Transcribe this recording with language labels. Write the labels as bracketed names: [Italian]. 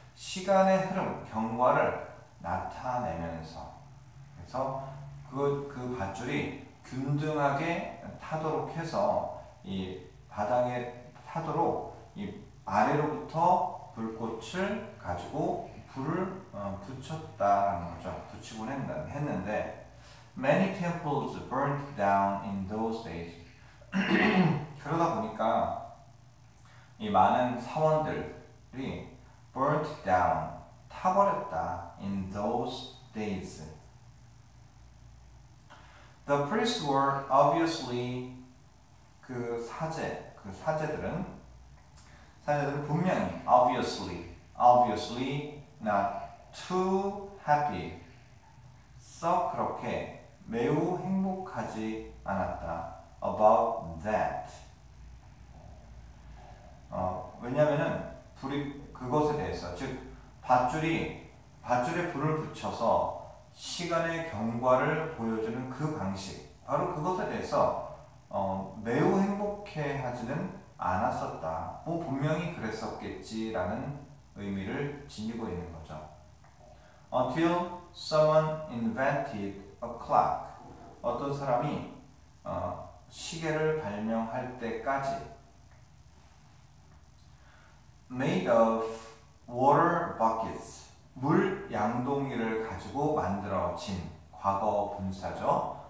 [Korean] 시간의 흐름, 경과를 나타내면서. 그래서 그 밧줄이 균등하게 타도록 해서 이 바닥에 타도록 이 아래로부터 불꽃을 가지고 불을 붙였다는 거죠. 붙이곤 했는데 [English] Many temples burnt down in those days. [Korean] 그러다 보니까 이 많은 사원들이 [English] burnt down, [Korean] 타버렸다 [English] in those days. The priests were obviously [Korean] 그 사제들은 분명히 [English] obviously not too happy. [Korean] 썩 그렇게 매우 행복하지 않았다 [English] about that. [Korean] 왜냐면은 불이 그것에 대해서 즉 밧줄에 불을 붙여서 시간의 경과를 보여주는 그 방식 바로 그것에 대해서 매우 행복해 하지는 않았었다. 뭐 분명히 그랬었겠지라는 의미를 지니고 있는 거죠. [English] Until someone invented a clock. [Korean] 어떤 사람이 시계를 발명할 때까지 [English] made of water buckets. [Korean] 물 양동이를 가지고 만들어진 과거 분사죠.